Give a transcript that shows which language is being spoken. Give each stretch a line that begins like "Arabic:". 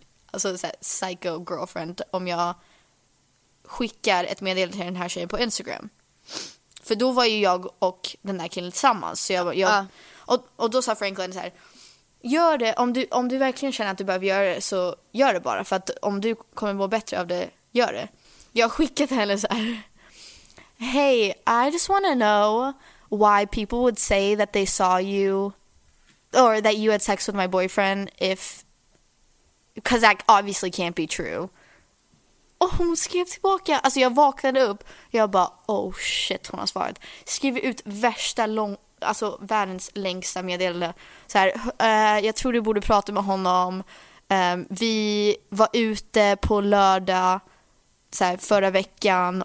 Swedish: Alltså så här, psycho girlfriend, om jag skickar ett meddelande till den här tjejen på Instagram. För då var ju jag och den där killen tillsammans, så jag och då sa Franklin så här, gör det om du verkligen känner att du behöver göra det, så gör det bara, för att om du kommer må bättre av det, gör det. Jag skickade henne så här,
English: hey, I just want to know why people would say that they saw you or that you had sex with my boyfriend, if because that obviously can't be true.
Swedish: Och hon skrev tillbaka. Alltså jag vaknade upp. Jag bara, oh shit, hon har svarat. Skrev ut värsta lång, alltså världens längsta meddelande. Så här, jag tror du borde prata med honom. Vi var ute på lördag så här, förra veckan.